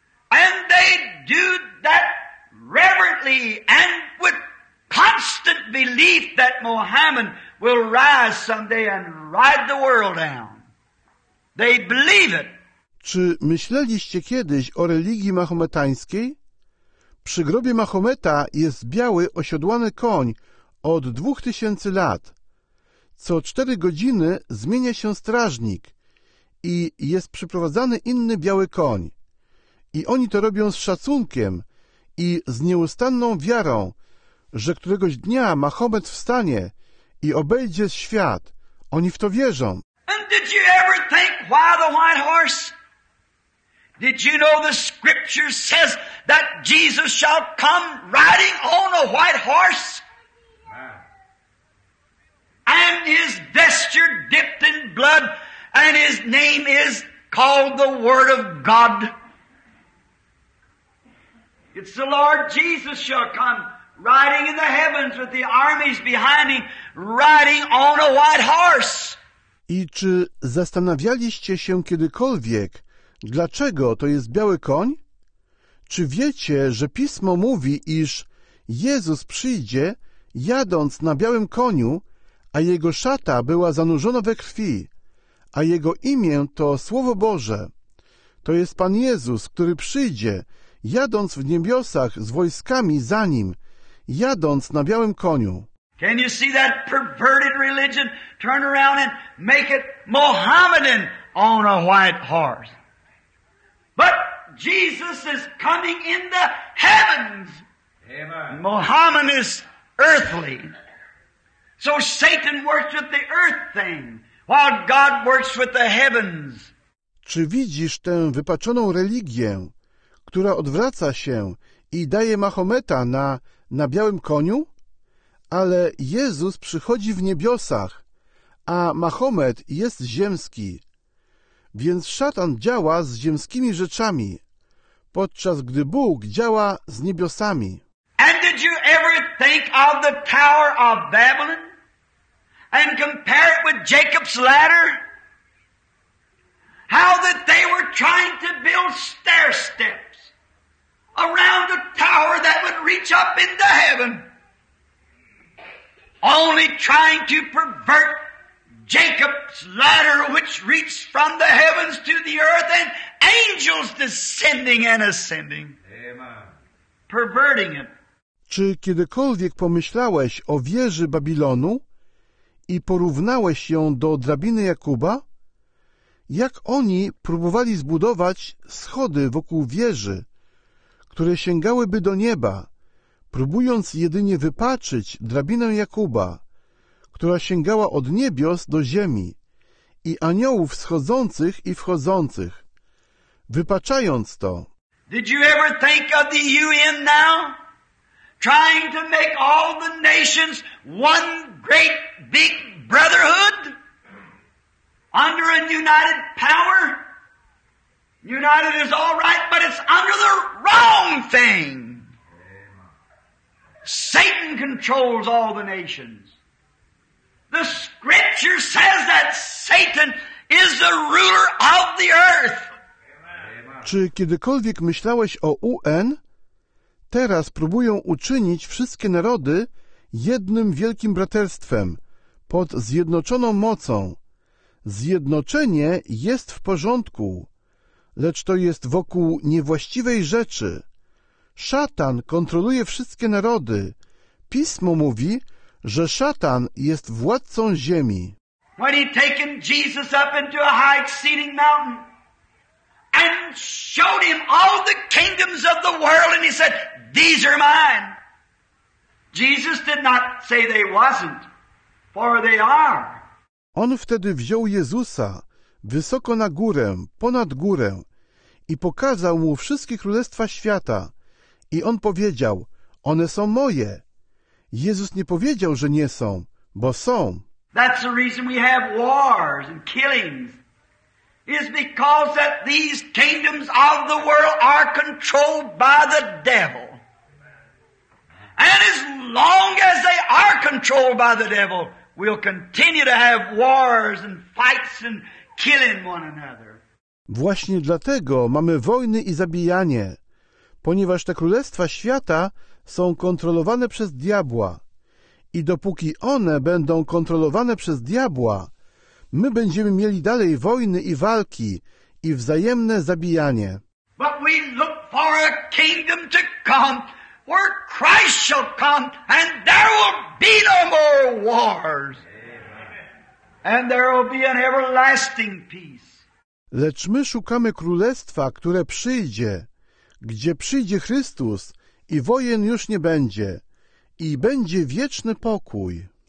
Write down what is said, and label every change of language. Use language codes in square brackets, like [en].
[en] And they do that reverently and with constant belief that Mohammed will rise someday and ride the world down. They believe it. [pl] Czy myśleliście kiedyś o religii mahometańskiej? Przy grobie Mahometa jest biały, osiodłany koń od 2000 lat. Co 4 godziny zmienia się strażnik i jest przyprowadzany inny biały koń. I oni to robią z szacunkiem i z nieustanną wiarą, że któregoś dnia Mahomet wstanie i obejdzie świat. Oni w to wierzą. [en] And did you ever think why the white horse? Did you know the scripture says that Jesus shall come riding on a white horse? And his vesture dipped in blood, and his name is called the Word of God. It's the Lord Jesus shall come riding in the heavens with the armies behind him, riding on a white horse. [pl] I czy zastanawialiście się kiedykolwiek, dlaczego to jest biały koń? Czy wiecie, że Pismo mówi, iż Jezus przyjdzie, jadąc na białym koniu, a jego szata była zanurzona we krwi, a jego imię to Słowo Boże? To jest Pan Jezus, który przyjdzie, jadąc w niebiosach z wojskami za nim, jadąc na białym koniu. [en] Can you see that perverted religion turn around and make it Mohammedan on a white horse? But Jesus is coming in the heavens. Amen. Mohammed is earthly. So Satan works with the earth thing while God works with the heavens. [pl] Czy widzisz tę wypaczoną religię, która odwraca się i daje Mahometa na białym koniu? Ale Jezus przychodzi w niebiosach, a Mahomet jest ziemski. Więc szatan działa z ziemskimi rzeczami, podczas gdy Bóg działa z niebiosami. [en] And did you ever think of the Tower of Babylon and compare it with Jacob's ladder? How that they were trying to build stair steps around a tower that would reach up into heaven. Only trying to pervert Jacob's ladder which reached from the heavens to the earth and angels descending and ascending. Amen. perverting it. [pl] Czy kiedykolwiek pomyślałeś o wieży Babilonu i porównałeś ją do drabiny Jakuba? Jak oni próbowali zbudować schody wokół wieży, które sięgałyby do nieba, próbując jedynie wypaczyć drabinę Jakuba, która sięgała od niebios do ziemi, i aniołów schodzących i wchodzących, wypaczając to. [en] Did you ever think of the UN now? Trying to make all the nations one great big brotherhood? Under a united power? United is all right, but it's under the wrong thing. Satan controls all the nations. The scripture says that Satan is the ruler of the earth. [pl] Czy kiedykolwiek myślałeś o UN? Teraz próbują uczynić wszystkie narody jednym wielkim braterstwem, pod zjednoczoną mocą. Zjednoczenie jest w porządku, lecz to jest wokół niewłaściwej rzeczy. Szatan kontroluje wszystkie narody. Pismo mówi, że szatan jest władcą ziemi. [en] When he taken Jesus up into a high exceeding mountain and showed him all the kingdoms of the world, and he said, these are mine. Jesus did not say they wasn't, for they are. [pl] On wtedy wziął Jezusa wysoko na górę, ponad górę, i pokazał mu wszystkie królestwa świata, i on powiedział, one są moje. Jezus nie powiedział, że nie są, bo są. [en] That's the reason we have wars and killings. Is because that these kingdoms of the world are controlled by the devil. And as long as they are controlled by the devil, we'll continue to have wars and fights and killing one another. [pl] Właśnie dlatego mamy wojny i zabijanie, ponieważ te królestwa świata są kontrolowane przez diabła. I dopóki one będą kontrolowane przez diabła, my będziemy mieli dalej wojny i walki i wzajemne zabijanie. [en] But we look for a kingdom to come, where Christ shall come, and there will be no more wars. And there will be an everlasting peace. [pl] Lecz my szukamy królestwa, które przyjdzie, gdzie przyjdzie Chrystus i wojen już nie będzie, i będzie wieczny pokój.